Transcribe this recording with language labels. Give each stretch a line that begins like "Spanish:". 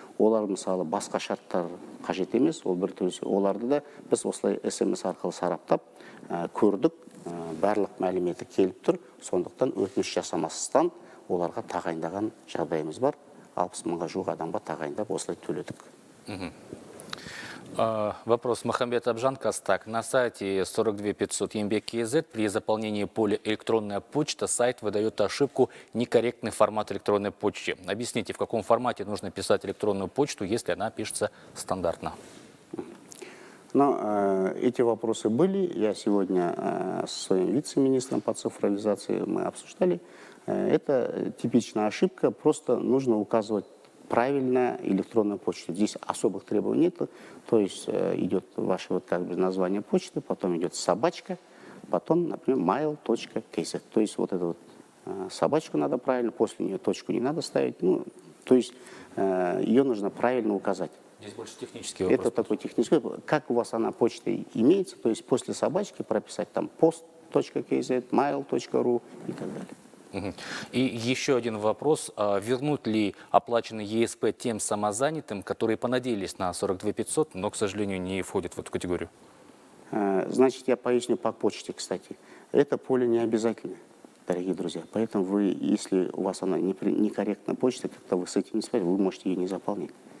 Kazakh: Олар мысалы басқа шарттар қажет емес, ол бір түрлі. Оларды да біз осылай СМС арқылы сараптап көрдік, барлық мәліметі келіп тұр. Сондықтан өтініш жасамастан оларға тағайындаған жағдайымыз бар. 60,000-ға жуық адамға тағайындап осылай төледік.
Russian: Вопрос Махамбет Абжан, Кастак. На сайте 42500 ЕМБЕК.КЗ при заполнении поля «Электронная почта» сайт выдает ошибку «Некорректный формат электронной почты». Объясните, в каком формате нужно писать электронную почту, если она пишется стандартно? Но эти вопросы были. Я сегодня со своим вице-министром по цифровизации мы обсуждали. Это типичная ошибка. Просто нужно указывать правильно электронная почта. Здесь особых требований нет. То есть идет ваше вот, как бы, название почты, потом идет собачка, потом, например, mail.kz. То есть вот эту вот собачку надо правильно, после нее точку не надо ставить. Ну, то есть ее нужно правильно указать. Здесь больше технический вопрос. Это такой технический вопрос. Как у вас она почтой имеется, то есть после собачки прописать там post.kz, mail.ru и так далее. И еще один вопрос. Вернут ли оплаченный ЕСП тем самозанятым, которые понадеялись на 42500, но, к сожалению, не входят в эту категорию? Значит, я поясню по почте, кстати. Это поле не обязательно, дорогие друзья. Поэтому вы, если у вас она некорректна почта, как-то вы с этим не справитесь, вы можете ее не заполнить.